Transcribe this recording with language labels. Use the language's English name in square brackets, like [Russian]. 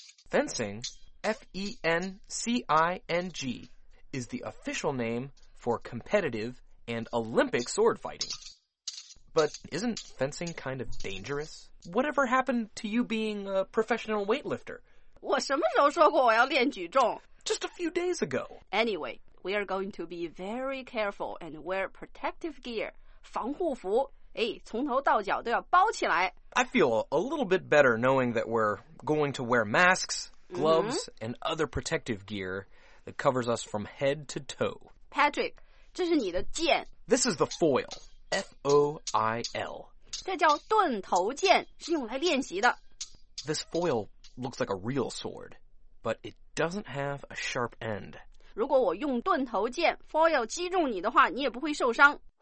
[English] Fencing, F-E-N-C-I-N-G, is the official name for competitive and Olympic sword fighting. But isn't fencing kind of dangerous? Whatever happened to you being a professional weightlifter? [Chinese] 我什么时候说过我要练举重 [English] ？Just a few days ago. Anyway, we are going to be very careful and wear protective gear, 防护服。 [Chinese] 哎，从头到脚都要包起来。 [English] I feel a little bit better knowing that we're going to wear masks, gloves,、mm-hmm. and other protective gear that covers us from head to toe. [Chinese] Patrick, 这是你的剑。 [English] This is the foil, F-O-I-L. [Chinese] 这叫盾头剑，是用来练习的。 [English] This foil. Looks like a real sword, but it doesn't have a sharp end. [Chinese] 如果我用盾头剑 foil 击中你的话，你也不会受伤。